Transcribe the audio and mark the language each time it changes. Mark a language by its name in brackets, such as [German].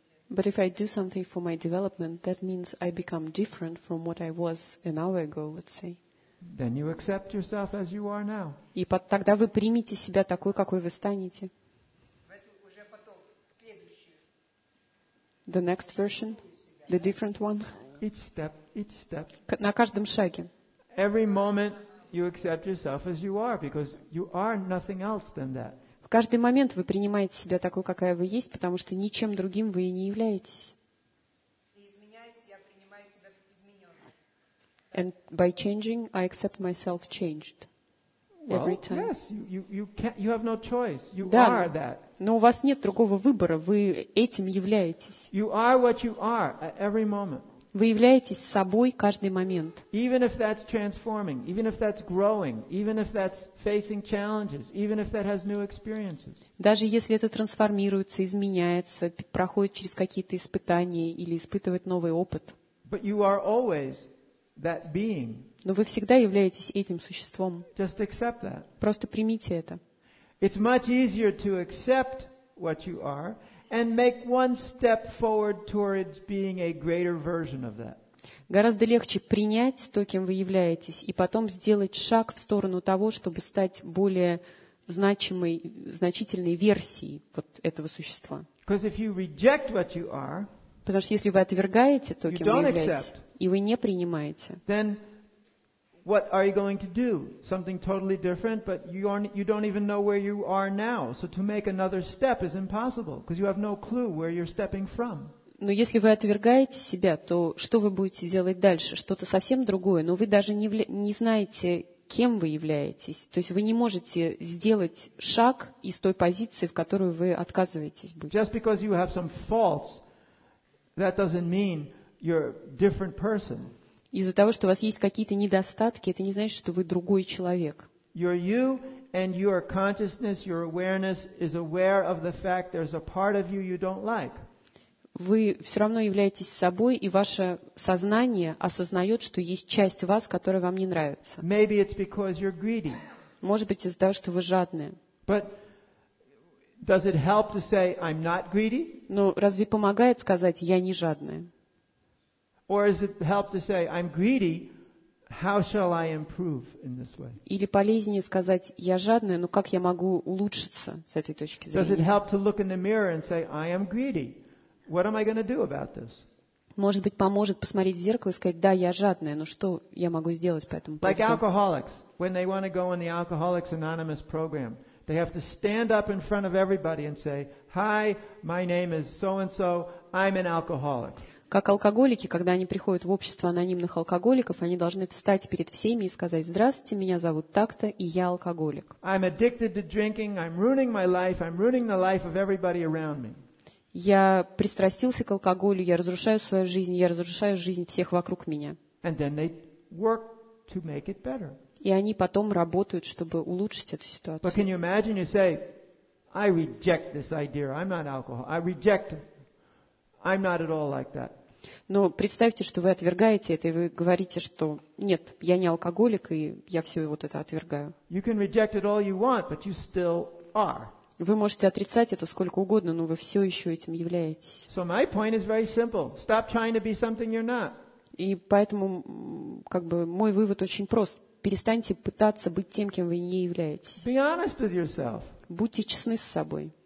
[English] But if I do something for my development, that means I become different from what I was an hour ago, let's say. Then you accept yourself as you are now. [Russian] И тогда вы примете себя такой, какой вы станете. Уже потом, следующую. [English] The next version, the different one. Each step. [Russian] На каждом шаге. [English] Every moment you accept yourself as you are, because you are nothing else than that. [Russian] В каждый момент вы принимаете себя такой, какая вы есть, потому что ничем другим вы и не являетесь. И изменяясь, я принимаю себя измененной. [English] And by changing, I accept myself changed. Every time. Well, yes, you have no choice. You are that. [Russian] Но у вас нет другого выбора, вы этим являетесь. [English] You are what you are at every moment. [Russian] Вы являетесь собой каждый момент. [English] Even if that's transforming, even if that's growing, even if that's facing challenges, even if that has new experiences. [Russian] Даже если это трансформируется, изменяется, проходит через какие-то испытания или испытывает новый опыт. [English] But you are always that being. [Russian] Но вы всегда являетесь этим существом. [English] Just accept that. [Russian] Просто примите это. [English] It's much easier to accept what you are. And make one step forward towards being a greater version of that. [Russian] Гораздо легче принять то, кем вы являетесь, и потом сделать шаг в сторону того, чтобы стать более значимой, значительной версией вот этого существа. [English] Because if you reject what you are, [Russian] потому что если вы отвергаете то, кем вы являетесь, и вы не принимаете, [English] then what are you going to do? Something totally different, but you don't even know where you are now. So to make another step is impossible because you have no clue where you're stepping from. [Russian] Но если вы отвергаете себя, то что вы будете делать дальше? Что-то совсем другое, но вы даже не знаете, кем вы являетесь. То есть вы не можете сделать шаг из той позиции, в которую вы отказываетесь быть. [English] Just because you have some faults, that doesn't mean you're a different person. [Russian] Из-за того, что у вас есть какие-то недостатки, это не значит, что вы другой человек. [English] You're you, and your consciousness, your awareness is aware of the fact there's a part of you you don't like. [Russian] Вы все равно являетесь собой, и ваше сознание осознает, что есть часть вас, которая вам не нравится. [English] Maybe it's because you're greedy. [Russian] Может быть, из-за того, что вы жадные. [English] But does it help to say I'm not greedy? [Russian] Но разве помогает сказать я не жадная? [English] Or is it help to say I'm greedy? How shall I improve in this way? [Russian] Или полезнее сказать я жадная, но как я могу улучшиться с этой точки зрения? [English] Does it help to look in the mirror and say I am greedy? What am I going to do about this? [Russian] Может быть, поможет посмотреть в зеркало и сказать: "Да, я жадная, но что я могу сделать по этому поводу?" [English] Like alcoholics, when they want to go in the Alcoholics Anonymous program, they have to stand up in front of everybody and say, "Hi, my name is so and so. I'm an alcoholic." [Russian] Как алкоголики, когда они приходят в общество анонимных алкоголиков, они должны встать перед всеми и сказать: «Здравствуйте, меня зовут так-то, и я алкоголик». [English] I'm addicted to drinking. I'm ruining my life. I'm ruining the life of everybody around me. [Russian] Я пристрастился к алкоголю, я разрушаю свою жизнь, я разрушаю жизнь всех вокруг меня. [English] And then they work to make it better. [Russian] И они потом работают, чтобы улучшить эту ситуацию. [English] But can you imagine you say, I reject this idea. I'm not alcohol. I reject. I'm not at all like that. [Russian] Но представьте, что вы отвергаете это, и вы говорите, что нет, я не алкоголик, и я все вот это отвергаю. [English] You can reject it all you want, but you still are. [Russian] Вы можете отрицать это сколько угодно, но вы все еще этим являетесь. [English] So my point is very simple. Stop trying to be something you're not. [Russian] И поэтому, как бы, мой вывод очень прост. Перестаньте пытаться быть тем, кем вы не являетесь. [English] Be honest with yourself. [Russian] Будьте честны с собой.